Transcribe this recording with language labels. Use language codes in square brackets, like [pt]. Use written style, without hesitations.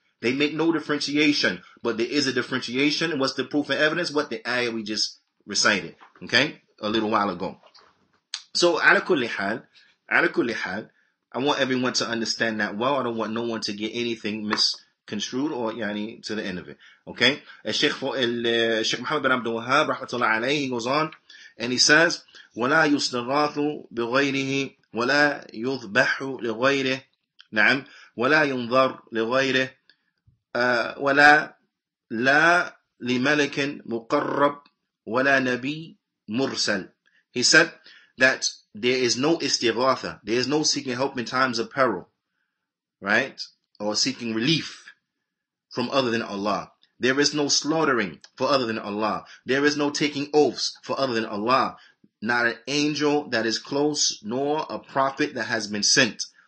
[en] They make no differentiation, but there is a differentiation. And what's the proof and evidence? What the ayah we just recited, okay, a little while ago. So, [ar] ala kulli hal, [en] I want everyone to understand that well. I don't want no one to get anything misconstrued or yani to the end of it, okay? [ar] Sheikh Muhammad bin Abdul Wahhab, rahmatullah alayhi, [en] he goes on and he says, [ar] وَلَا يُسْتَغَاثُ بِغَيْرِهِ وَلَا يُذْبَحُ لِغَيْرِهِ نَعَمْ وَلَا يُنْظَرْ لِغَيْرِهِ وَلَا لَا لِمَلَكٍ مُقَرَّبْ وَلَا نَبِي مُرْسَلْ. [en] He said that there is no istighatha, there is no seeking help in times of peril, right? Or seeking relief from other than Allah. There is no slaughtering for other than Allah. There is no taking oaths for other than Allah. Not an angel that is close, nor a prophet that has been sent.